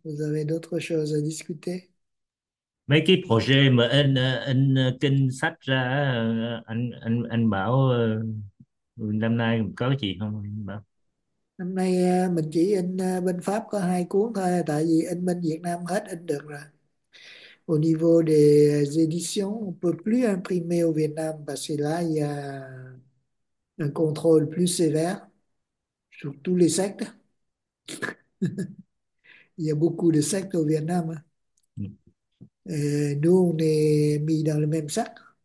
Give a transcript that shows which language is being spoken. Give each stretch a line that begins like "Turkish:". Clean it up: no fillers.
French: Vous avez d'autres choses à discuter?
Vietnamese: Mấy cái projet mà anh kinh sách ra, anh bảo năm nay có gì không anh bảo? Hôm nay mình chỉ in bên Pháp có hai cuốn thôi, tại vì in bên Việt Nam hết in được rồi.
French: Au niveau des éditions, on ne peut plus imprimer au Vietnam parce que là, il y a un contrôle plus sévère sur tous les sectes. Il y a beaucoup de sectes au Vietnam. Et nous, on est mis dans le même sac.